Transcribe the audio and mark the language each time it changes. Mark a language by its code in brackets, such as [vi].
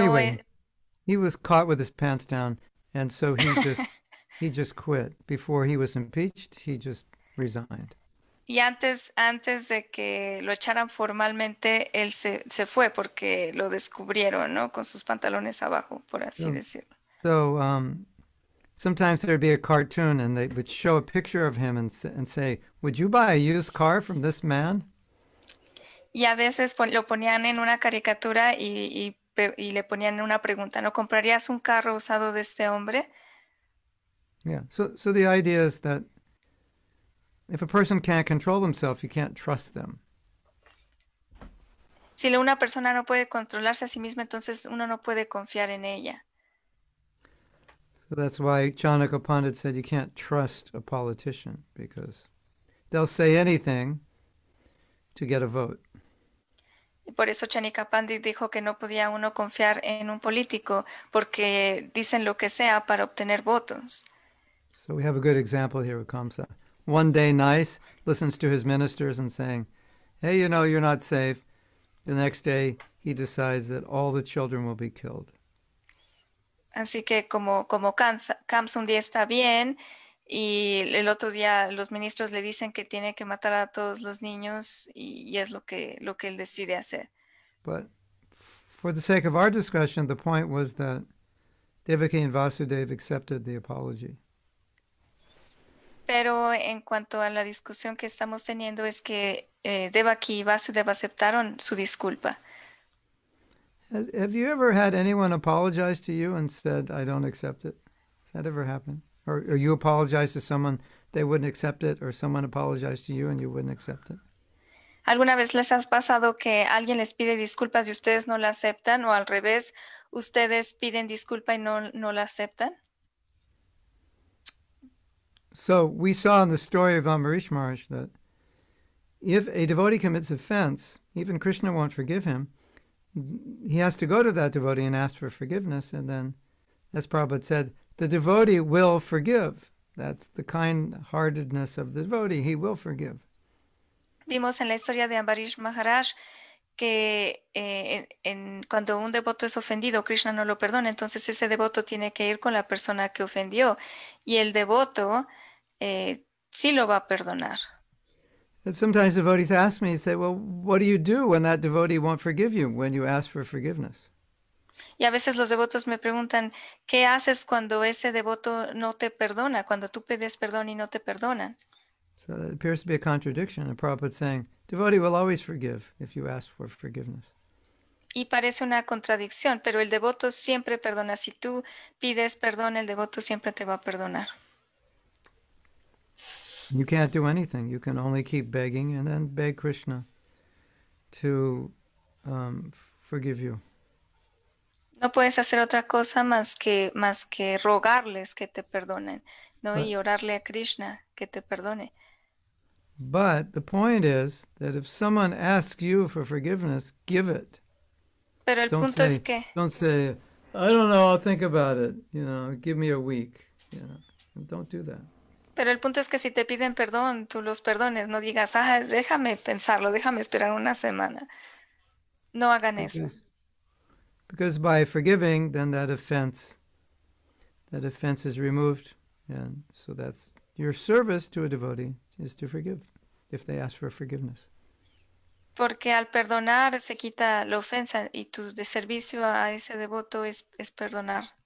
[en] Anyway, he was caught with his pants down, and so he just quit. Before he was impeached, he just resigned. [es] Y antes de que lo echaran formalmente, él se fue porque lo descubrieron, ¿no? Con sus pantalones abajo, por así decirlo. [en] Sometimes there'd be a cartoon and they would show a picture of him and say, "Would you buy a used car from this man?" [es] Y a veces lo ponían en una caricatura y le ponían una pregunta, ¿no comprarías un carro usado de este hombre? [en] Yeah, so the idea is that if a person can't control themselves, you can't trust them. [es] Si una persona no puede controlarse a sí misma, entonces uno no puede confiar en ella. [en] So that's why Chanaka Pandit said you can't trust a politician because they'll say anything to get a vote. [es] Por eso Chanika Pandit dijo que no podía uno confiar en un político porque dicen lo que sea para obtener votos. [en] So we have a good example here with Kamsa. One day, nice, listens to his ministers and saying, "Hey, you know, you're not safe." The next day, he decides that all the children will be killed. [es] Así que como Kamsa un día está bien y el otro día los ministros le dicen que tiene que matar a todos los niños y es lo que él decide hacer. [en] But for the sake of our discussion, the point was that Devaki and Vasudev accepted the apology. [es] Pero en cuanto a la discusión que estamos teniendo es que Devaki y Vasudeva aceptaron su disculpa. [en] Have you ever had anyone apologize to you and said, "I don't accept it"? Has that ever happened? Or you apologize to someone, they wouldn't accept it, or someone apologized to you and you wouldn't accept it? [es] ¿Alguna vez les has pasado que alguien les pide disculpas y ustedes no la aceptan? ¿O al revés, ustedes piden disculpa y no la aceptan? [en] So we saw in the story of Amrish Maharaj that if a devotee commits offense, even Krishna won't forgive him. He has to go to that devotee and ask for forgiveness, and then, as Prabhupada said, the devotee will forgive. That's the kind heartedness of the devotee. He will forgive. [es] Vimos en la historia de Ambarish Maharaj que cuando un devoto es ofendido, Krishna no lo perdona, entonces ese devoto tiene que ir con la persona que ofendió y el devoto sí lo va a perdonar. [en] And sometimes devotees ask me, say, well, what do you do when that devotee won't forgive you, when you ask for forgiveness? [es] Y a veces los devotos me preguntan, ¿qué haces cuando ese devoto no te perdona, cuando tú pides perdón y no te perdonan? [en] So it appears to be a contradiction, a Prabhupada saying, devotee will always forgive if you ask for forgiveness. [es] Y parece una contradicción, pero el devoto siempre perdona. Si tú pides perdón, el devoto siempre te va a perdonar. [en] You can't do anything. You can only keep begging and then beg Krishna to forgive you. [es] No puedes hacer otra cosa más que rogarles que te perdonen, ¿no? Y orarle a Krishna que te perdone. [en] But the point is that if someone asks you for forgiveness, give it. [es] Pero el [en] don't [es] punto [en] say, [es] es que... [en] Don't say, I don't know, I'll think about it, you know, give me a week, you know. Don't do that. [es] Pero el punto es que si te piden perdón, tú los perdones, no digas, ah, déjame pensarlo, déjame esperar una semana. No hagan eso. [en] Because by forgiving, then that offense is removed. And so that's your service to a devotee, is to forgive, if they ask for forgiveness. [es] Porque al perdonar se quita la ofensa y tu de servicio a ese devoto es perdonar.